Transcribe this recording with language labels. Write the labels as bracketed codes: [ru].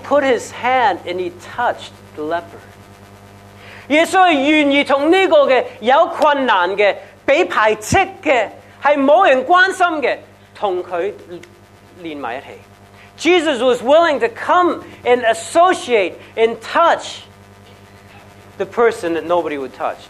[en] put his hand and he touched the leper. [zh] 耶稣是愿意跟这个有困难的、被排斥的、是没人关心的，跟他连在一起。 [en] Jesus was willing to come and associate and touch the person that nobody would touch.